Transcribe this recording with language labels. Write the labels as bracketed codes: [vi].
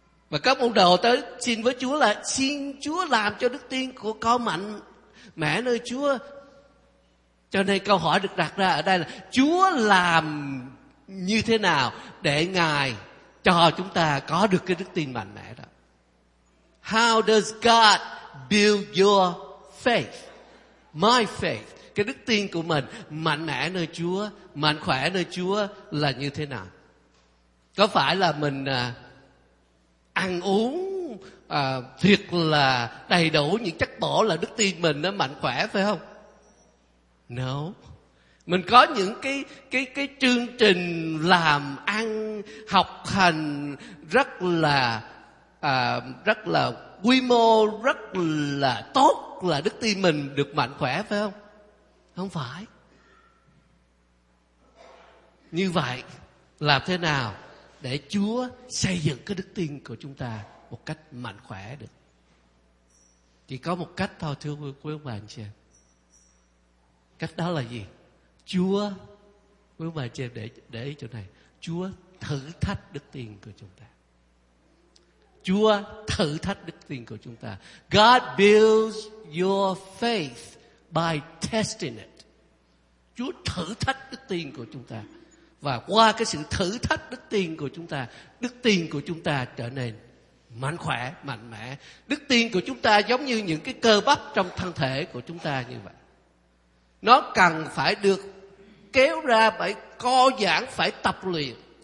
[vi] Và các môn đồ tới xin với Chúa là xin Chúa làm cho đức tin của con mạnh mẽ nơi Chúa. Cho nên câu hỏi được đặt ra ở đây là Chúa làm như thế nào để Ngài cho chúng ta có được cái đức tin mạnh mẽ đó. [en] How does God build your faith? My faith. [vi] Cái đức tin của mình mạnh mẽ nơi Chúa, mạnh khỏe nơi Chúa là như thế nào? Có phải là mình ăn uống thiệt là đầy đủ những chất bổ là đức tin mình nó mạnh khỏe phải không? [en] No. [vi] mình có những cái chương trình làm ăn học hành rất là quy mô, rất là tốt, là đức tin mình được mạnh khỏe, phải không? Không phải. Như vậy làm thế nào để Chúa xây dựng cái đức tin của chúng ta một cách mạnh khỏe được? Chỉ có một cách thôi, thưa quý ông bà anh chị. Cách đó là gì? Chúa, quý ông bà anh chị để ý chỗ này, Chúa thử thách đức tin của chúng ta. Chúa thử thách đức tin của chúng ta. [en] God builds your faith by testing it. [vi] Chúa thử thách đức tin của chúng ta. Và qua cái sự thử thách đức tin của chúng ta, đức tin của chúng ta trở nên mạnh khỏe, mạnh mẽ. Đức tin của chúng ta giống như những cái cơ bắp trong thân thể của chúng ta như vậy. Nó cần phải được kéo ra, phải co giãn, phải tập luyện.